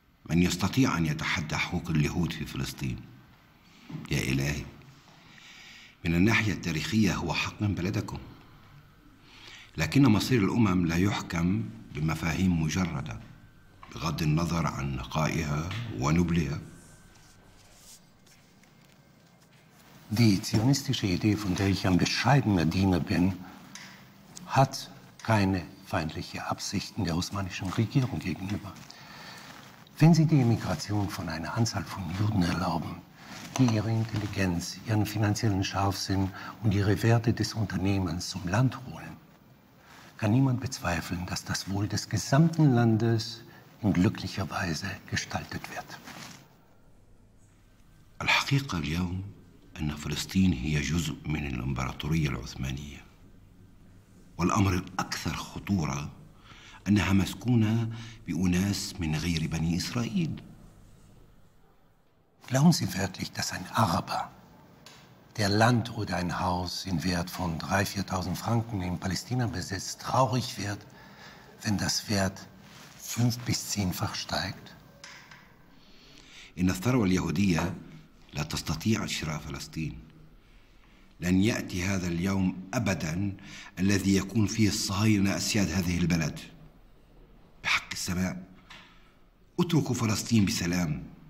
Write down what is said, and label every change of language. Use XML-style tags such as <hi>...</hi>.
<ar>من يستطيع أن يتحدى حقوق اليهود في فلسطين؟ يا إلهي، من الناحية التاريخية هو حق من بلدكم، لكن مصير الأمم لا يحكم بمفاهيم مجردة بغض النظر عن نقائها ونبلها.</ar> <de>Die zionistische Idee, von der ich ein bescheidener Diener bin, hat keine feindliche Absichten der osmanischen Regierung gegenüber. Wenn Sie die Emigration von einer Anzahl von Juden erlauben, die ihre Intelligenz, ihren finanziellen Scharfsinn und ihre Werte des Unternehmens zum Land holen, kann niemand bezweifeln, dass das Wohl des gesamten Landes in glücklicher Weise gestaltet wird.</de> <ar>الحقيقة اليوم أن فلسطين هي جزء من الإمبراطورية العثمانية. والأمر الأكثر خطورة أنها مسكونة بأناس من غير بني إسرائيل.</ar> <de>Glauben Sie wirklich, dass ein Araber, der Land oder ein Haus in Wert von 3.000-4.000 Franken in Palästina besitzt, traurig wird, wenn das Wert 5- bis 10-fach steigt?</de> <ar>إن الثروة اليهودية لا تستطيع شراء فلسطين. لن يأتي هذا اليوم أبدا الذي يكون فيه الصهاينة أسياد هذه البلد. بحق السماء اتركوا فلسطين بسلام.</ar>